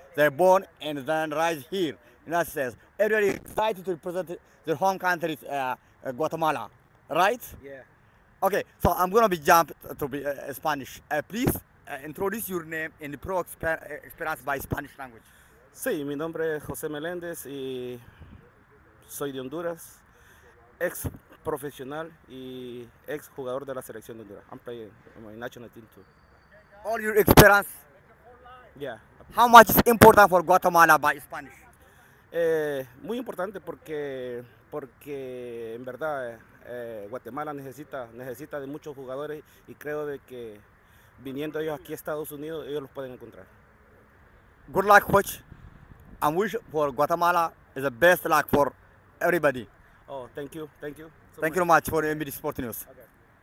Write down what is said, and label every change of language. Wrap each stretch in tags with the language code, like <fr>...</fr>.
<en>They're born and then rise here in the United States. Everybody excited to represent their home country, Guatemala, right? Yeah. Okay, so I'm going to be jump to be Spanish. Please introduce your name and the pro experience by Spanish language.</en> <es>Sí, mi nombre es Jose Melendez y soy de Honduras, ex profesional y ex jugador de la selección de Honduras.</es> <en>I'm playing in my national team too. All your experience? Yeah. How much is important for Guatemala by Spanish?</en> <es>Muy importante porque en verdad Guatemala necesita de muchos jugadores y creo de que viniendo ellos aquí a Estados Unidos ellos los pueden encontrar.</es> <en>Good luck, coach. I wish for Guatemala is the best luck for everybody. Oh, thank you. Thank you so much for MBD Sport News. Okay.</en>